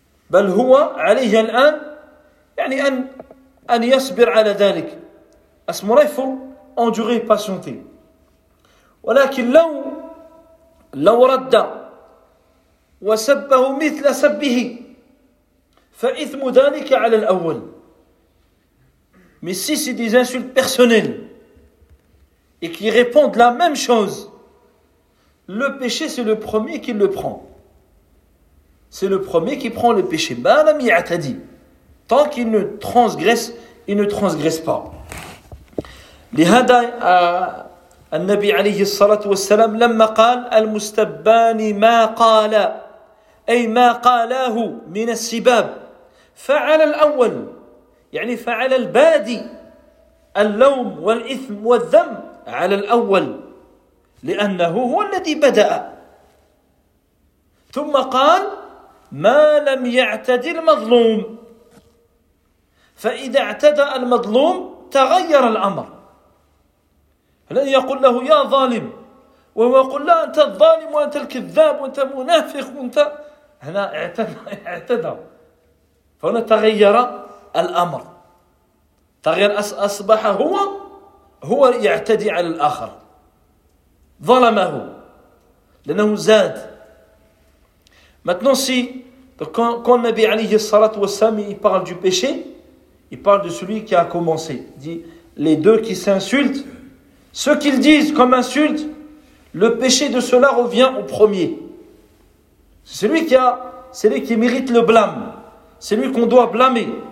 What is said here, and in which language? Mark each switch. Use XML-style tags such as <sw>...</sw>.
<ar>بل هو عليه الآن يعني أن يصبر على ذلك اسمه ريفو أنجوري باسونتي ولكن لو رد وسبه مثل سبه فإثم ذلك على الأول</ar> <fr>mais si c'est des insultes personnelles et qu'ils répondent la même chose le péché c'est le premier qui le prend. C'est le premier qui prend le péché. Madame Yatadi, tant qu'il ne transgresse, il ne transgresse pas.</fr> <ar>لهذا النبي عليه الصلاة والسلام لما قال المستبان ما قال أي ما قاله من السباب فعل الأول يعني فعل البادي اللوم والإثم والذنب على الأول لأنه هو الذي بدأ ثم قال ما لم يعتد المظلوم فإذا اعتدى المظلوم تغير الأمر لن يقول له يا ظالم وهو يقول لا أنت الظالم وأنت الكذاب وأنت منافق وأنت هنا اعتدى فهنا تغير الأمر تغير أصبح هو يعتدي على الآخر ظلمه لأنه زاد متنصي.</ar> <fr>Donc quand Nabi alayhi salat wa salam il parle du péché, il parle de celui qui a commencé. Il dit, les deux qui s'insultent, ce qu'ils disent comme insulte, le péché de cela revient au premier. C'est lui qui mérite le blâme. C'est lui qu'on doit blâmer.</fr>